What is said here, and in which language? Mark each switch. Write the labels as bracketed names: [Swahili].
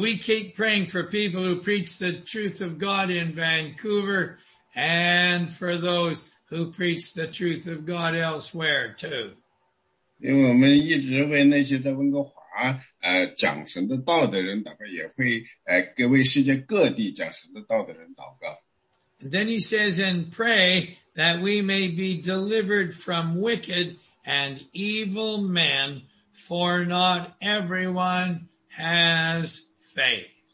[English] we keep praying for people who preach the truth of God in Vancouver and for those who preach the truth of God elsewhere too. [Chinese] 因为我们一直为那些在温哥华讲神的道的人祷告，也会给为世界各地讲神的道的人祷告。 [English] And then he says, and pray that we may be delivered from wicked and evil men, for not everyone has faith.